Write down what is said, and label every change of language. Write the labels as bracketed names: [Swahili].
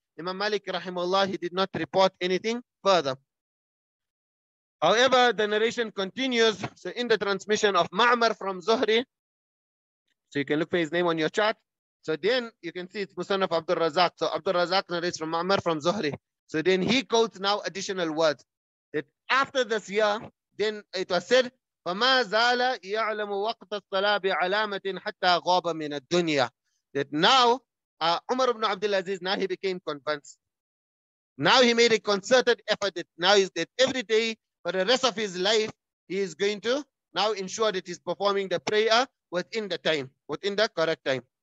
[English] Imam Malik rahimahullah, he did not report anything further. However, the narration continues. So in the transmission of Ma'mar from Zuhri, so you can look for his name on your chart. So then you can see it's Musannaf Abdul Razak. So Abdul Razak narrates from Ma'mar from Zuhri. So then he quotes now additional words. That after this year, then it was said, [Arabic] فَمَا زَالَ يَعْلَمُ وَقْتَ الصَّلَاةِ بِعَلَامَةٍ حَتَّى غَابَ مِنَ الدُّنْيَا. [English] That now, Umar ibn Abdul Azīz, now he became convinced. Now he made a concerted effort that now is that every day, for the rest of his life, he is going to now ensure that he's performing the prayer within the time, within the correct time.